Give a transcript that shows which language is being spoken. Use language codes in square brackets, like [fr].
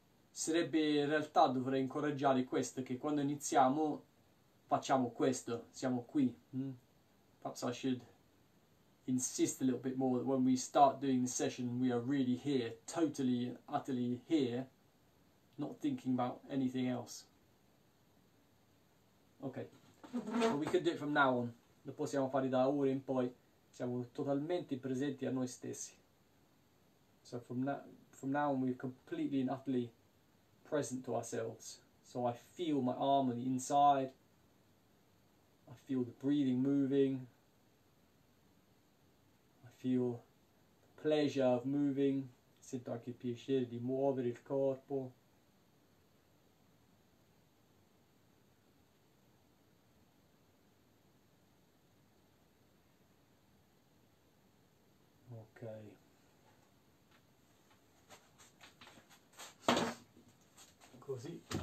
[it] Sarebbe, in realtà dovrei incoraggiare questo, che quando iniziamo facciamo questo, siamo qui. [en] Perhaps I should insist a little bit more that when we start doing the session we are really here, totally and utterly here, not thinking about anything else. Okay, but we could do it from now on. [it] Lo possiamo fare da ora in poi. Siamo totalmente presenti a noi stessi. [en] So from now on we're completely and utterly present to ourselves. So I feel my arm on the inside. I feel the breathing moving. Feel the pleasure of moving. [it] Sento anche il piacere di muovere il corpo. Ok. Così.